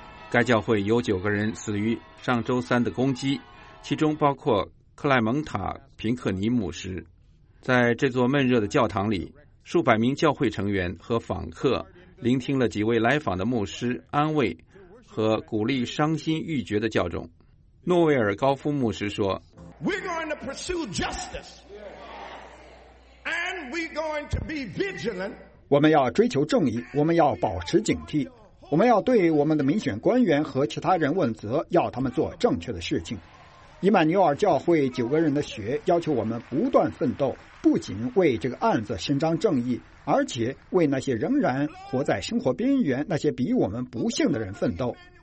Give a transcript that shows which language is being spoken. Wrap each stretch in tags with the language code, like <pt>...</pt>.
<zh>该教会有九个人死于上周三的攻击，其中包括克莱蒙塔·平克尼牧师。在这座闷热的教堂里，数百名教会成员和访客聆听了几位来访的牧师安慰和鼓励伤心欲绝的教众。诺维尔高夫牧师说，</zh> <en>We're going to pursue justice and we're going to be vigilant.</en> <zh>我们要追求正义，我们要保持警惕，我们要对我们的民选官员和其他人问责，要他们做正确的事情。伊曼纽尔教会九个人的血要求我们不断奋斗，不仅为这个案子伸张正义，而且为那些仍然活在生活边缘、那些比我们不幸的人奋斗。</zh>